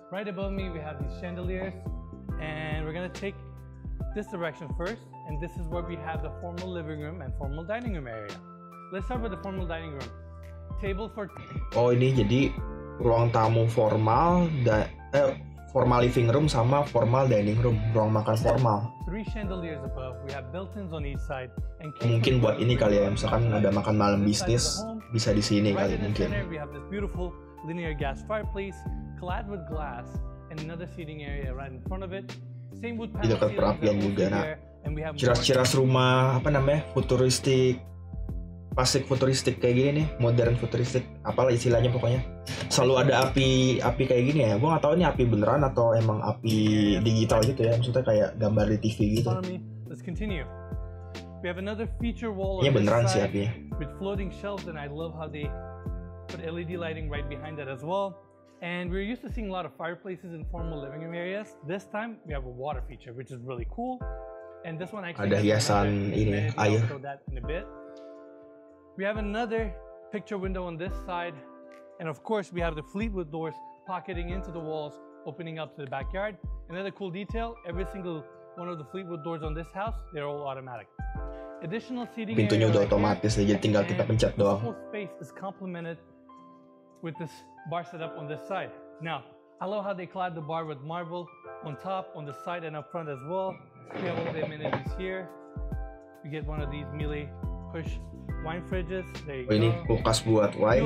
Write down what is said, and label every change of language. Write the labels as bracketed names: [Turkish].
[English] Right above me, we have these chandeliers. And we're gonna take this direction first, and this is where we have the formal living room and formal dining room area. Let's start with the formal dining room. Table for. [Indonesian] Oh, ini jadi ruang tamu formal dan formal living room sama formal dining room, ruang makan formal. [English] Three chandeliers above. We have built-ins on each side. And [Indonesian] mungkin buat ini kali ya, misalkan ada makan malam bisnis bisa di sini kali mungkin. [English] We have this beautiful linear gas fireplace, clad with glass. And another seating area right in front of it. Same wood panel. [Indonesian] Dekat perapian juga, nak. Ciras-ciras rumah apa namanya? Futuristik, pasik futuristik kayak gini nih, modern futuristik, apalah istilahnya pokoknya. Selalu ada api-api kayak gini ya. Gua nggak tahu ini api beneran atau emang api digital gitu ya. Maksudnya kayak gambar di TV gitu. [English] Let's continue. We have another feature wall. [Indonesian] Ini beneran sih apinya. [English] With floating shelves, and I love how they put LED lighting right behind that as well. And we're used to seeing a lot of fireplaces in formal living room areas. This time we have a water feature, which is really cool. And this one actually [Indonesian] ada hiasan ini air. [English] We have another picture window on this side, and of course we have the Fleetwood doors pocketing into the walls, opening up to the backyard. Another cool detail: every single one of the Fleetwood doors on this house, they're all automatic. Additional seating. [Indonesian] Pintunya udah otomatis, jadi tinggal kita pencet doang. [English] This whole space is complemented with this bar set up on this side. Now, I love how they clad the bar with marble on top, on the side, and up front as well. We have all the amenities here. We get one of these Miele push wine fridges. There you go. [Indonesian] Ini kulkas buat wine.